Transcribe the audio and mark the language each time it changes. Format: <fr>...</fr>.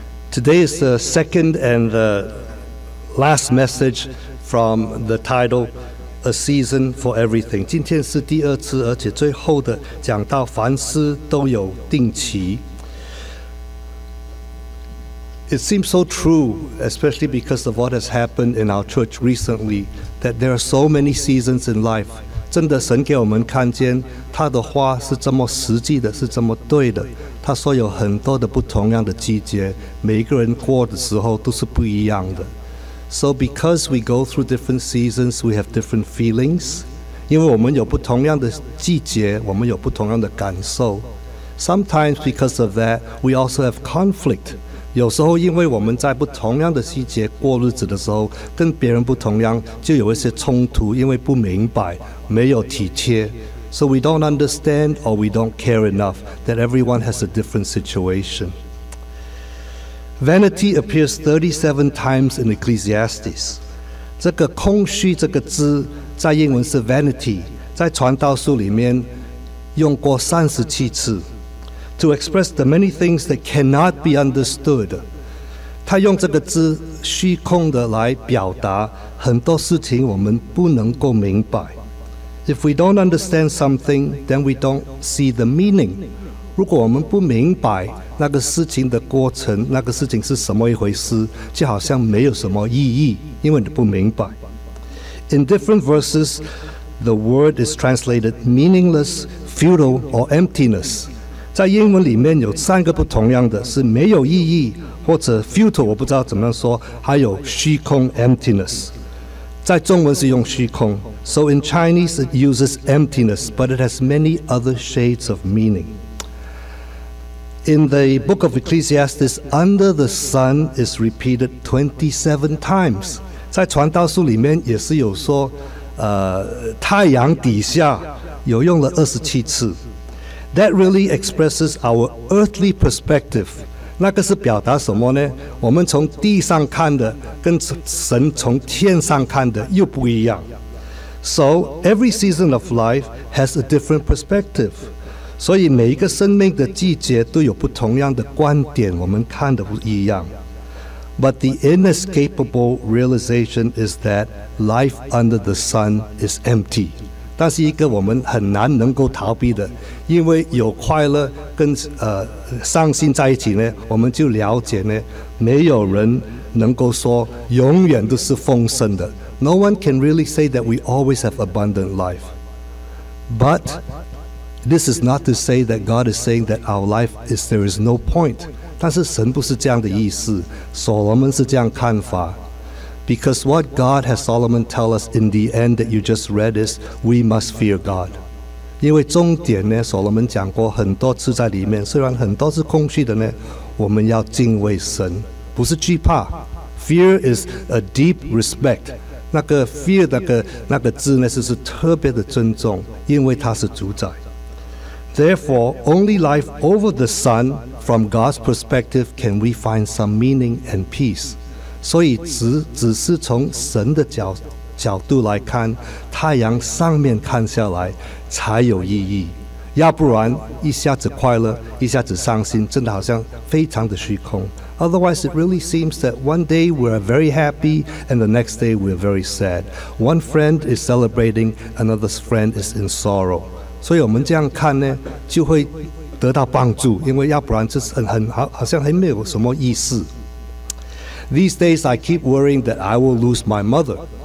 <en>Today is the second and the last message from the title, A Season for Everything.</en> <zh>今天是第二次，而且最后的讲到凡事都有定期。</zh> <en>It seems so true, especially because of what has happened in our church recently, that there are so many seasons in life.</en> <zh>真的，神给我们看见他的话是这么实际的，是这么对的。他说有很多的不同样的季节，每一个人过的时候都是不一样的。</zh> <en>So because we go through different seasons, we have different feelings.</en> <zh>因为我们有不同样的季节，我们有不同样的感受。</zh> <en>Sometimes because of that, we also have conflict.</en> <zh>有时候因为我们在不同样的季节过日子的时候跟别人不同样就有一些冲突因为不明白没有体贴</zh> <en>So we don't understand or we don't care enough that everyone has a different situation. Vanity appears 37 times in Ecclesiastes.</en> <zh>这个空虚这个字在英文是 vanity 在传道书里面用过37次</zh> <en>To express the many things that cannot be understood.</en> <zh>他用这个字虚空的来表达很多事情我们不能够明白。</zh> <en>If we don't understand something, then we don't see the meaning.</en> <zh>如果我们不明白那个事情的过程那个事情是什么一回事就好像没有什么意义因为你不明白。</zh> <en>In different verses, the word is translated meaningless, futile, or emptiness.</en> <zh>在英文里面有三个不同样的是没有意义或者 futile 我不知道怎么样说还有虚空 emptiness 在中文是用虚空</zh> <en>So in Chinese it uses emptiness but it has many other shades of meaning In the book of Ecclesiastes under the sun is repeated 27 times</en> <zh>在传道书里面也是有说太阳底下有用了27次</zh> <en>That really expresses our earthly perspective.</en> <zh>那个是表达什么呢？我们从地上看的跟神从天上看的又不一样。</zh> <en>So every season of life has a different perspective.</en> <zh>所以每一个生命的季节都有不同样的观点，我们看的不一样。</zh> <en>But the inescapable realization is that life under the sun is empty.</en> <zh>但是一个我们很难能够逃避的因为有快乐跟伤心在一起呢我们就了解呢没有人能够说永远都是丰盛的</zh> <en>No one can really say that we always have abundant life But this is not to say that God is saying that our life is there is no point</en> <zh>但是神不是这样的意思所罗门是这样看法</zh> <en>Because what God has Solomon tell us in the end that you just read is, we must fear God.</en> <zh>因为终点呢，所罗门讲过很多次在里面，虽然很多是空虚的呢，我们要敬畏神，不是惧怕。</zh> <en>Fear is a deep respect.</en> <zh>那个 fear 那个字呢，是特别的尊重，因为他是主宰。</zh> <en>Therefore, only life over the sun, from God's perspective, can we find some meaning and peace.</en> <zh>所以只是从神的角度来看太阳上面看下来才有意义要不然一下子快乐一下子伤心真的好像非常的虚空</zh> <en>Otherwise it really seems that one day we're very happy and the next day we're very sad One friend is celebrating another friend is in sorrow</en> <zh>所以我们这样看呢就会得到帮助因为要不然就是好像还没有什么意思</zh> <en>These days, I keep worrying that I will lose my mother.</en>